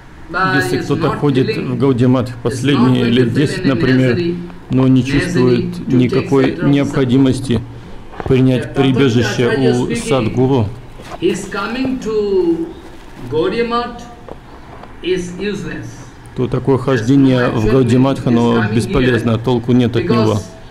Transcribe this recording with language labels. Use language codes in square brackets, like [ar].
[en] but [ru] если кто-то ходит в Gaudiya Math последние лет 10, например, но не чувствует никакой необходимости принять прибежище у Садгуру, [en] his coming to Gaudiya Math is useless. [ru] То такое хождение в Гаудия Матх, оно бесполезно, толку нет от него.